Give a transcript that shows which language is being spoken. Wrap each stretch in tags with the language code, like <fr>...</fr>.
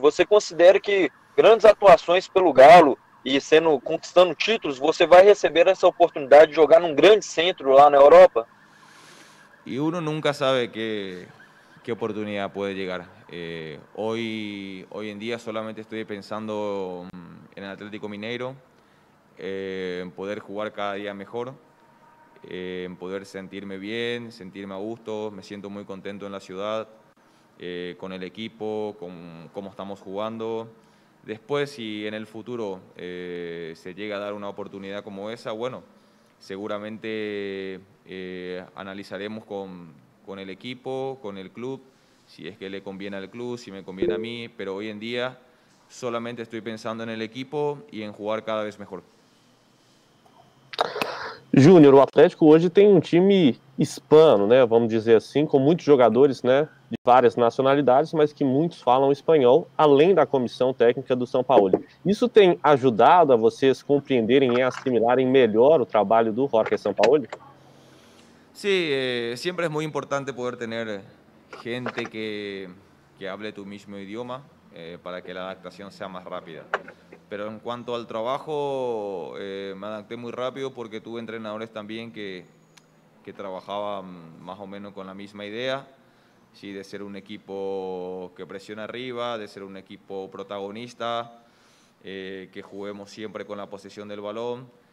<pt>Você considera que grandes atuações pelo Galo e sendo conquistando títulos, você vai receber essa oportunidade de jogar num grande centro lá na Europa? E</pt> <es>uno</es> <pt>nunca sabe que oportunidade pode chegar.</pt> <es>Hoy</es> <pt>em dia,</pt> <es>solamente</es> <pt>estou pensando em Atlético Mineiro, em poder</pt> <es>jugar</es> <pt>cada dia melhor.</pt> <es>En poder sentirme bien, sentirme a gusto, me siento muy contento en la ciudad, con el equipo, con cómo estamos jugando. Después, si en el futuro se llega a dar una oportunidad como esa, bueno, seguramente analizaremos con el equipo, con el club, si es que le conviene al club, si me conviene a mí, pero hoy en día solamente estoy pensando en el equipo y en jugar cada vez mejor.</es> <pt>Júnior, o Atlético hoje tem um time hispano, né, vamos dizer assim, com muitos jogadores, né, de várias nacionalidades, mas que muitos falam espanhol, além da comissão técnica do São Paulo. Isso tem ajudado a vocês compreenderem e assimilarem melhor o trabalho do Jorge São Paulo? Sim, sempre é muito importante poder ter gente que</pt> <es>hable tu</es> <pt>mesmo idioma para que a adaptação seja mais rápida.</pt> <es>Pero en cuanto al trabajo, me adapté muy rápido porque tuve entrenadores también que trabajaban más o menos con la misma idea, ¿sí? De ser un equipo que presiona arriba, de ser un equipo protagonista, que juguemos siempre con la posesión del balón.</es>